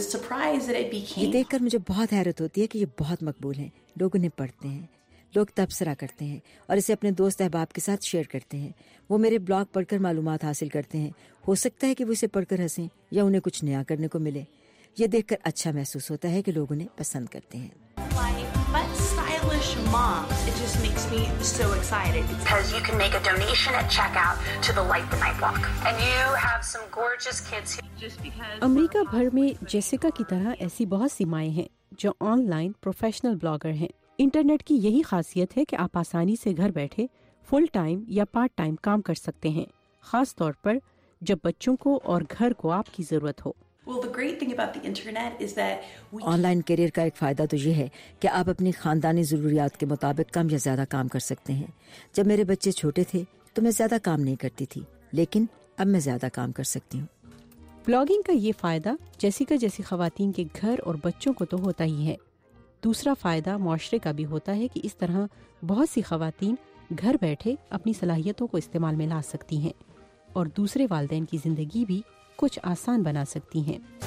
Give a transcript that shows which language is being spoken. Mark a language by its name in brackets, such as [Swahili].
[Urdu] یہ دیکھ کر مجھے بہت حیرت ہوتی ہے کہ یہ بہت مقبول ہیں, لوگ انہیں پڑھتے ہیں, لوگ تبصرہ کرتے ہیں اور اسے اپنے دوست احباب کے ساتھ شیئر کرتے ہیں. وہ میرے بلاگ پڑھ کر معلومات حاصل کرتے ہیں. ہو سکتا ہے کہ وہ اسے پڑھ کر ہنسیں یا انہیں کچھ نیا کرنے کو ملے. یہ دیکھ کر اچھا محسوس ہوتا ہے کہ لوگ انہیں پسند کرتے ہیں. [English] Moms, it just makes me so excited because you can make a donation at checkout to the Light the Night Walk and you have some gorgeous kids who... [Urdu] امریکہ بھر میں جیسیکا کی طرح ایسی بہت سی مائیں ہیں جو آن لائن پروفیشنل بلاگر ہیں. انٹرنیٹ کی یہی خاصیت ہے کہ آپ آسانی سے گھر بیٹھے فل ٹائم یا پارٹ ٹائم کام کر سکتے ہیں, خاص طور پر جب بچوں کو اور گھر کو آپ کی ضرورت ہو. [English] Well, the great thing about the internet is that we [Urdu] on line career کا ایک فائدہ تو یہ ہے کہ آپ اپنی خاندانی ضروریات کے مطابق کم یا زیادہ کام کر سکتے ہیں. جب میرے بچے چھوٹے تھے تو میں زیادہ کام نہیں کرتی تھی, لیکن اب میں زیادہ کام کر سکتی ہوں. بلاگنگ کا یہ فائدہ جیسیکا جیسی خواتین کے گھر اور بچوں کو تو ہوتا ہی ہے, دوسرا فائدہ معاشرے کا بھی ہوتا ہے کہ اس طرح بہت سی خواتین گھر بیٹھے اپنی صلاحیتوں کو استعمال میں لا سکتی ہیں اور دوسرے والدین کی زندگی بھی کچھ آسان بنا سکتی ہیں.